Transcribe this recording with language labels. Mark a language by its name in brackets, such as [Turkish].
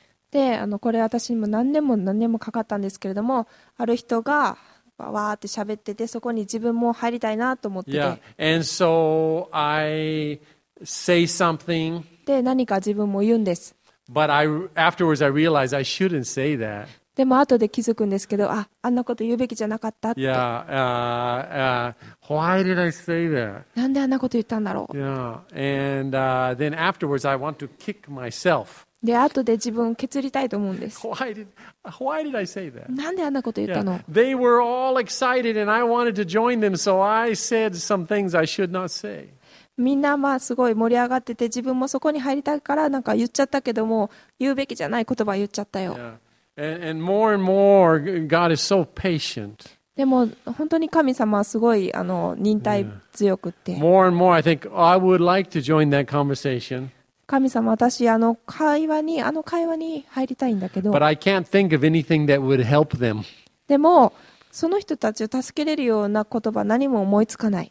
[Japanese] で、これ私にも何年も何年もかかったんですけれども、ある人がわーって喋ってて、そこに自分も入りたいなと思ってて。 [English] Yeah. And so I say something. [Japanese] で、何か自分も言うんです。 [English] But I, afterwards I realize I shouldn't say that. [Japanese] でも後で気づくんですけど、あんなこと言うべきじゃなかったって。 [English] Yeah, why did I say that? [Japanese] なんであんなこと言ったんだろう。 [English] Yeah, and then afterwards I want to kick myself. [Japanese] で後で自分を蹴りたいと思うんです。 [English] Why did I say that? [Japanese] なんであんなこと言ったの。 [English] Yeah, they were all excited and I wanted to join them, so I said some things I should not say. [Japanese] みんなまあすごい盛り上がってて、自分もそこに入りたいからなんか言っちゃったけども、言うべきじゃない言葉言っちゃったよ。 [English] Yeah. And more and more, God is so patient. [Japanese] でも本当に神様はすごい忍耐強くって。 [English] More and more, I think I would like to join that conversation. [Japanese] 神様、私あの会話に入りたいんだけど。 [English] But I can't think of anything that would help them. [Japanese] でもその人たちを助けれるような言葉何も思いつかない。